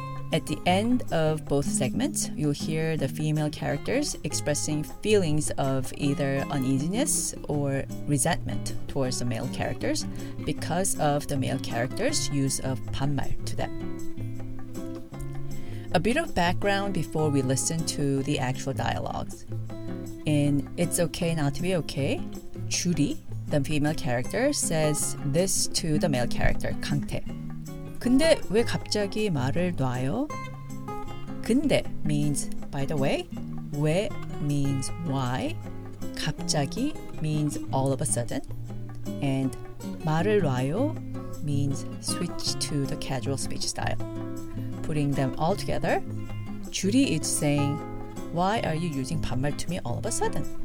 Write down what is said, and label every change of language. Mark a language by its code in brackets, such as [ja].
[en] At the end of both segments, you'll hear the female characters expressing feelings of either uneasiness or resentment towards the male characters because of the male characters' use of 반말 to them. A bit of background before we listen to the actual dialogues. In It's Okay Not to Be Okay, Judy, the female character, says this to the male character, 강태. [ko] 근데 왜 갑자기 말을 놔요? [en] 근데 means by the way, 왜 means why, 갑자기 means all of a sudden, and [ko] 말을 놔요 [en] means switch to the casual speech style. Putting them all together, Judy is saying, why are you using 반말 to me all of a sudden?